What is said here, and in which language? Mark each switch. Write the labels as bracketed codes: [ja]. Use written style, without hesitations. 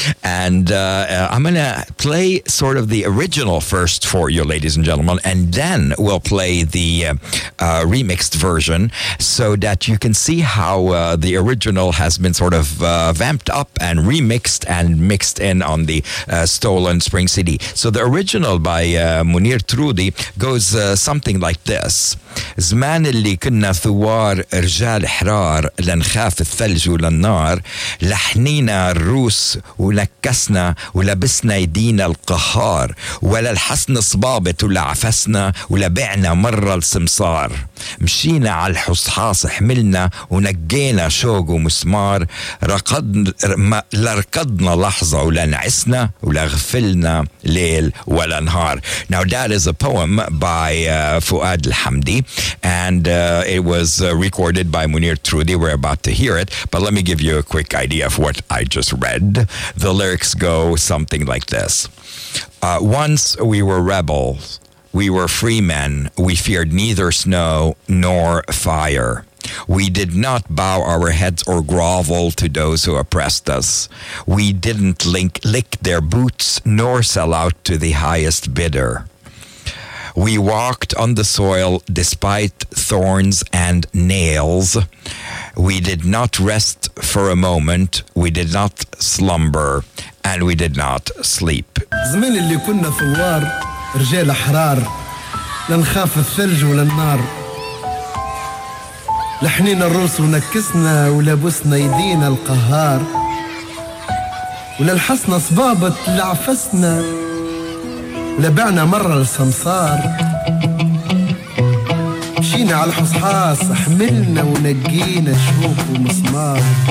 [en] And I'm going to play sort of the original first for you, ladies and gentlemen, and then we'll play the remixed version so that you can see how the original has been sort of vamped up and remixed and mixed in on the Stolen Spring CD. So the original by Munir Troudi goes something like this. [ar] زمان اللي كنا ثوار رجال حرار لنخاف الثلج وللنار لحنينا الروس ونكسنا ولبسنا يدينا القهار ولا الحسن صبابت ولا عفسنا ولا بعنا مرة السمصار مشينا على الحصحاص حملنا ونقينا شوق ومسمار لركضنا لحظة ولا نعسنا ولا غفلنا ليل ولا نهار. [en] Now that is a poem by Fuad al-Hamdi, and it was recorded by Munir Troudi. We're about to hear it, but let me give you a quick idea of what I just read. The lyrics go something like this. Once we were rebels, we were free men. We feared neither snow nor fire. We did not bow our heads or grovel to those who oppressed us. We didn't lick their boots nor sell out to the highest bidder. We walked on the soil despite thorns and nails. We did not rest for a moment. We did not slumber, and we did not sleep. [ar] زمان اللي كنا في الوار رجال احرار لنخاف الثلج ولا النار لحنينا الروس ونكسنا ولبسنا يدينا القهار ولا الحصن صبابت لعفسنا لبعنا مرة السمسار مشينا على الحصحاص حملنا ونقينا شوك ومسمار